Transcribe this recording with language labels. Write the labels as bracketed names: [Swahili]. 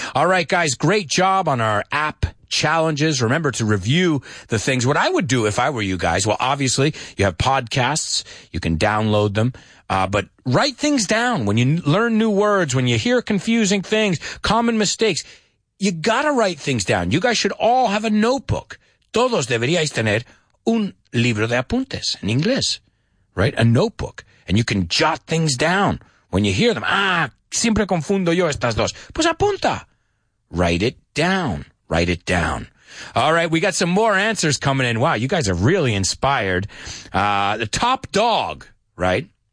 [English] All right, guys, great job on our app challenges. Remember to review the things. What I would do if I were you guys, well, obviously, you have podcasts. You can download them. But write things down when you learn new words, when you hear confusing things, common mistakes. You gotta write things down. You guys should all have a notebook. [Spanish] Todos deberíais tener un libro de apuntes en inglés, [English] right? A notebook. And you can jot things down when you hear them. [Spanish] Ah, siempre confundo yo estas dos. Pues apunta. [English] Write it down. Write it down. All right, we got some more answers coming in. Wow, you guys are really inspired. The top dog, right?